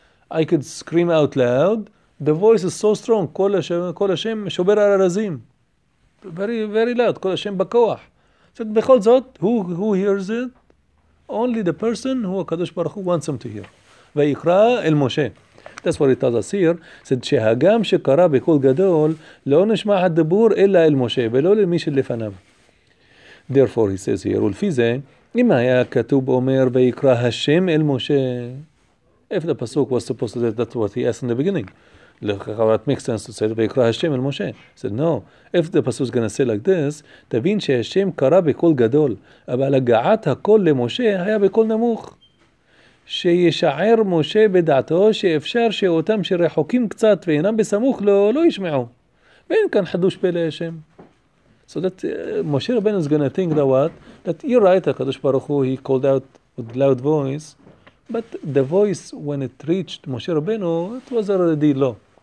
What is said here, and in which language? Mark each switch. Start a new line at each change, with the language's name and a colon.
English: I could scream out loud. The voice is so strong.
Hebrew: Kol Hashem Shober Ararazim.
English: Very, very loud. Kol Hashem Bakoach." Said,
Hebrew: "Bechol Zot,
English: who hears it? Only the person who Kadosh Baruch Hu wants him to hear. ויקרא אל משה." That's what it tells us here. It said,
Hebrew: "שהגם שקרא בקול גדול, לא נשמע הדיבור אלא אל משה, ולא למי שלפניו."
English: Therefore, he says here,
Hebrew: ולפי זה, אם היה כתוב אומר, ויקרא השם אל משה,
English: if the pasuk was supposed to say, that's what he asked in the beginning. That makes sense to say,
Hebrew: ויקרא השם אל משה.
English: He said, no. If the pasuk is going to say like this,
Hebrew: תבין שהשם קרא בקול גדול, אבל הגעת הקול למשה היה בקול נמוך. שישער משה בדעתו שאפשר שאותם שרחוקים קצת ואינם בסמוך לא ישמעו. ואין כאן חדוש פלא השם.
English: So that משה רבנו is going to think that what? That you're right, הקדוש ברוך הוא, he called out with loud voice, but the voice when it reached משה רבנו, it was already low.